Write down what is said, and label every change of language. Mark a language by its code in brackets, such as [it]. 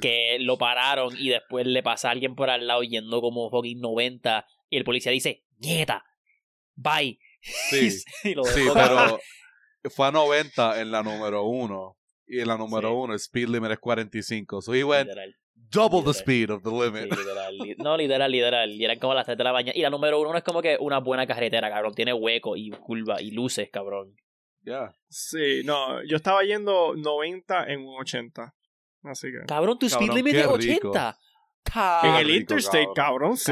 [es] Que lo pararon y después le pasa a alguien por al lado yendo como fucking 90. Y el policía dice, ¡nieta! ¡Bye! Sí, y lo sí pero fue a 90 en la número 1. Y en la número 1, sí, el speed limit es 45. [en] So he went double the speed of the limit. [es] Sí, literal. No, literal, literal. Y eran como las 3 de la mañana. Y la número 1 no es como que una buena carretera, cabrón. Tiene hueco y curva y luces, cabrón. [en] Yeah. [es] Sí, no, yo estaba yendo 90 en un 80. Así que, cabrón, tu speed limit es 80. En el interstate, cabrón, sí.